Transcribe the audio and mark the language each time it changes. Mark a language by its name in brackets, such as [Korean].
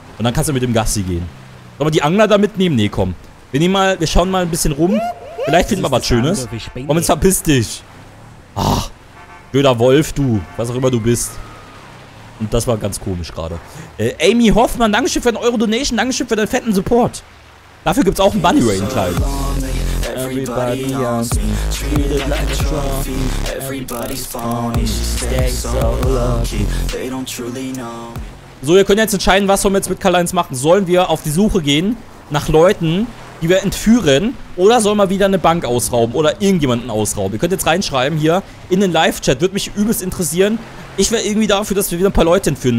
[German] Und dann kannst du mit dem Gassi gehen. Sollen wir die Angler da mitnehmen? Nee, komm. Wir nehmen mal, wir schauen mal ein bisschen rum. Vielleicht finden wir was Schönes. Komm, jetzt verpiss dich. Ach, blöder Wolf, du. Was auch immer du bist. Und das war ganz komisch gerade. Amy Hoffmann, Dankeschön für den Euro-Donation. Dankeschön für deinen fetten Support. Dafür gibt es auch einen Bunny Rain Kleid. [English] Everybody knows me, treated like a trophy. Everybody's phony, she stays so lucky. They don't truly know me. [German] So, wir können jetzt entscheiden, was sollen wir jetzt mit Karl-Heinz machen. Sollen wir auf die Suche gehen nach Leuten, die wir entführen? Oder sollen wir wieder eine Bank ausrauben oder irgendjemanden ausrauben? Ihr könnt jetzt reinschreiben hier in den Live-Chat. Würde mich übelst interessieren. Ich wäre irgendwie dafür, dass wir wieder ein paar Leute entführen.